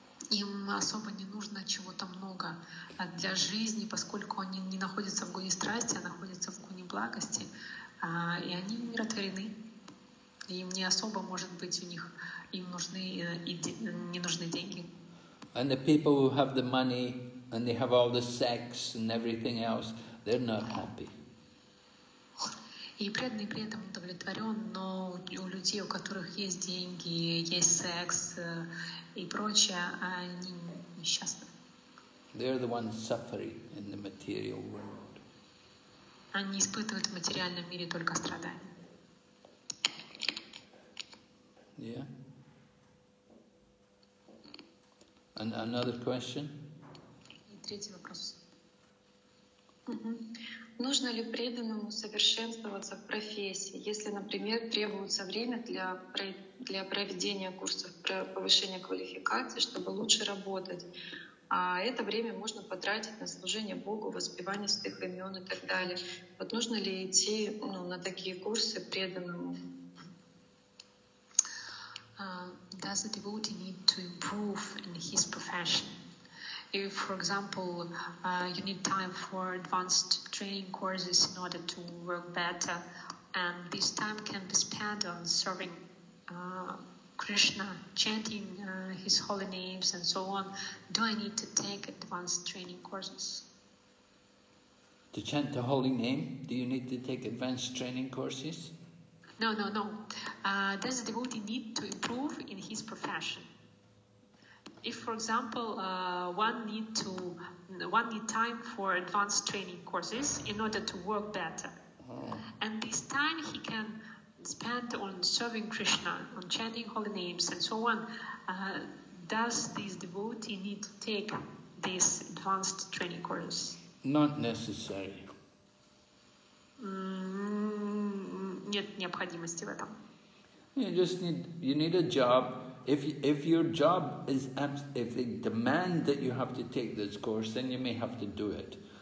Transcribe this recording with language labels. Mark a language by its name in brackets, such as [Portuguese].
[Russian] им особо не нужно чего-то много для жизни, поскольку они не находятся в гуне страсти, а находятся в гуне благости, и они умиротворены. Им не особо, может быть, у них им нужны и не нужны деньги. [English] And the people who have the money and they have all the sex and everything else, they're not happy. [Russian] И преданный при этом удовлетворен, но у людей, у которых есть деньги, есть секс и прочее, они несчастны. [English] They're the ones suffering in the material world. [Russian] Они испытывают в материальном мире только страдания. [English] Yeah. And another question? [Russian] И третий вопрос. Нужно ли преданному совершенствоваться в профессии, если, например, требуется время для проведения курсов, повышения квалификации, чтобы лучше работать? А это время можно потратить на служение Богу, воспевание святых имен и так далее. Вот нужно ли идти, ну, на такие курсы преданному? [English] Does the devotee need to improve in his profession? If, for example, you need time for advanced training courses in order to work better, and this time can be spent on serving Krishna, chanting his holy names and so on, do I need to take advanced training courses? To chant the holy name, do you need to take advanced training courses? No. Does the devotee need to improve in his profession? If, for example, one need time for advanced training courses in order to work better, and this time he can spend on serving Krishna, on chanting holy names and so on, does this devotee need to take these advanced training courses? Not necessary. [Russian] Нет необходимости в этом. [English] You need a job. If your job is, if they demand that you have to take this course, then you may have to do it.